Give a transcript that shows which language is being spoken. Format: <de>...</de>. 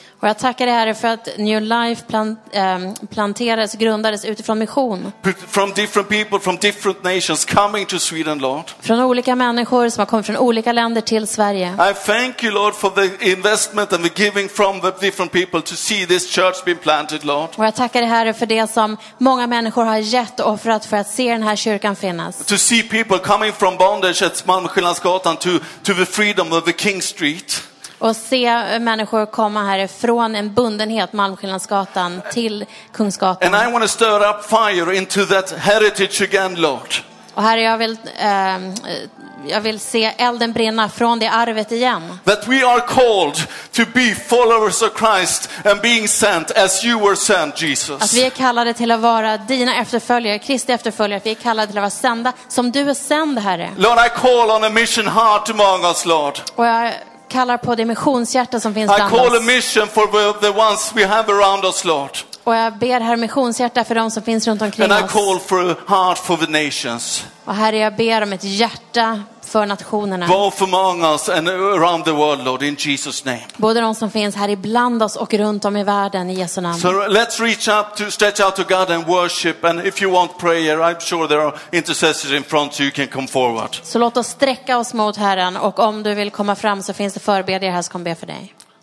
<sv>Och jag tackar dig, Herre, för att New Life planterades, grundades utifrån mission.</sv> <en>From different people, from different nations coming to Sweden, Lord.</en> <sv>Från olika människor som har kommit från olika länder till Sverige.</sv> <en>I thank you, Lord, for the investment and the giving from the different people to see this church being planted, Lord.</en> <sv>Och jag tackar dig, Herre, för det som många människor har gett och offrat för att se den här kyrkan finnas.</sv> <en>To see people coming from bondage at Malmskillnadsgatan to the freedom of the King Street.</en> <sv>Och se människor komma här från en bundenhet Malmskillnadsgatan till Kungsgatan.</sv> <en>And I want to stir up fire into that heritage again, Lord.</en> <sv>Och Herre, jag vill se elden brinna från det arvet igen.</sv> <en>That we are called to be followers of Christ and being sent as you were sent, Jesus.</en> <sv>Att vi är kallade till att vara dina efterföljare, Kristi efterföljare. Att vi är kallade till att vara sända som du är sänd, Herre.</sv> <en>Lord, I call on a mission heart among us, Lord.</en> <sv>Och jag kallar på det missionshjärta som finns bland oss.</sv> <en>I call a mission for the ones we have around us, Lord.</en> <sv>Och jag ber här missionshjärta för dem som finns runt omkring</sv> <en>oss. And I call for a heart for the nations.</en> <sv>Och Herre, jag ber om ett hjärta för nationerna.</sv> <en>Both among us and around the world, Lord, in Jesus' name.</en> <sv>Både de som finns här ibland oss och runt om i världen i Jesu namn.</sv> <en>So let's reach up to stretch out to God and worship. And if you want prayer, I'm sure there are intercessors in front, so you can come forward.</en> <sv>Så låt oss sträcka oss mot Herren, och om du vill komma fram så finns det förbedjare här som kan be för dig.</sv>